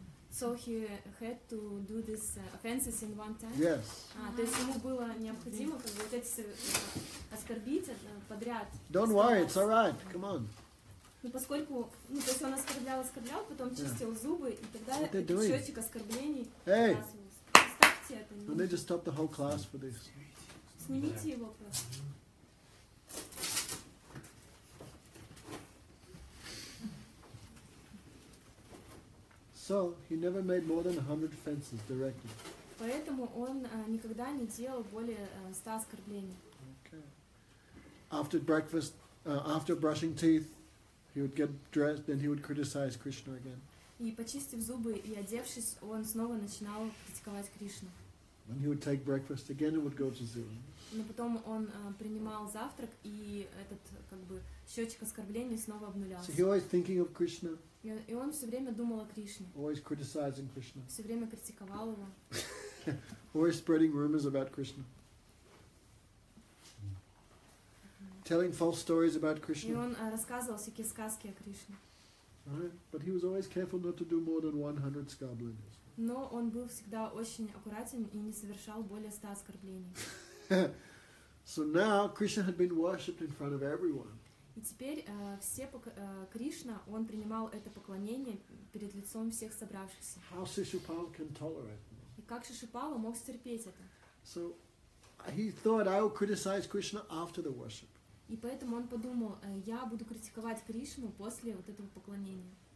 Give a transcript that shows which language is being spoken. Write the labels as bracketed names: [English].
[English] So he had to do this offenses in one time. Yes. [Russian] То есть ему было необходимо вот эти оскорбить подряд. [English] Don't worry, it's all right. Come on. [Russian] Ну поскольку, ну то есть он оскорблял, потом чистил зубы и тогда счетчик оскорблений. [English] Hey. [Russian] Оставьте это. [English] We need to stop the whole class for this. [Russian] Снимите его просто. [English] So he never made more than 100 offenses directly. [Russian] Поэтому он никогда не делал более 100 оскорблений. [English] Okay. After breakfast, after brushing teeth, he would get dressed, then he would criticize Krishna again. [Russian] И почистив зубы и одевшись, он снова начинал критиковать Кришну. [English] Then he would take breakfast again and would go to zero. [Russian] Но потом он принимал завтрак и этот как бы счетчик оскорблений снова обнулялся. [English] So he always thinking of Krishna. [Russian] И он все время думал о Кришне. [English] Always criticizing Krishna. [Russian] Все время критиковал его. [English] Always spreading rumors about Krishna. Telling false stories about Krishna. [Russian] И он рассказывал всякие сказки о Кришне. [English] But he was always careful not to do more than 100 skablanyas. [Russian] Но он был всегда очень аккуратен и не совершал более 100 оскорблений. [English] So now Krishna had been worshipped in front of everyone. [Russian] И теперь все Кришна, он принимал это поклонение перед лицом всех собравшихся. [English] How Shishupala can tolerate? [Russian] И как Шишупала мог терпеть это? [English] So he thought, I will criticize Krishna after the worship. [Russian] И поэтому он подумал, я буду критиковать Кришну после вот этого поклонения.